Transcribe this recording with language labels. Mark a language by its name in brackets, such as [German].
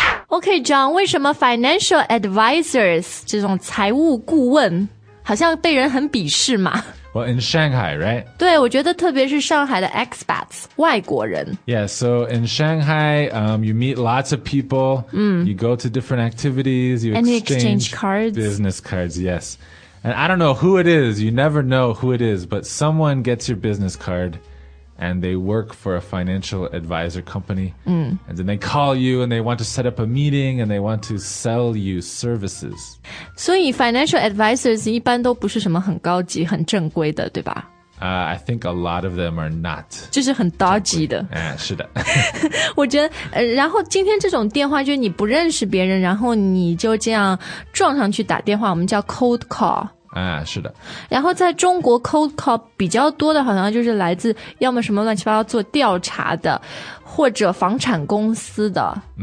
[Chinese] OK, John, 为什么 financial advisors, 这种财务顾问好像被人很鄙视嘛 [English] Well, in Shanghai, right? [Chinese] 对我觉得特别是上海的 expats, 外国人 [English] Yeah, so in Shanghai, you meet lots of people, you go to different activities, you exchange cards. Business cards, yes. And I don't know who it is, you never know who it is, but someone gets your business card. And they work for a financial advisor company. And then they call you and they want to set up a meeting and they want to sell you services. [Chinese] 所以 financial advisors 一般都不是什么很高级很正规的对吧、 [English] I think a lot of them are not. [Chinese] 就是很 dodgy 的。是的。我觉得然后今天这种电话就是你不认识别人然后你就这样撞上去打电话我们叫 cold call。是的。然后在中国 cold call 比较多的好像就是来自要么什么乱七八糟做调查的或者房产公司的。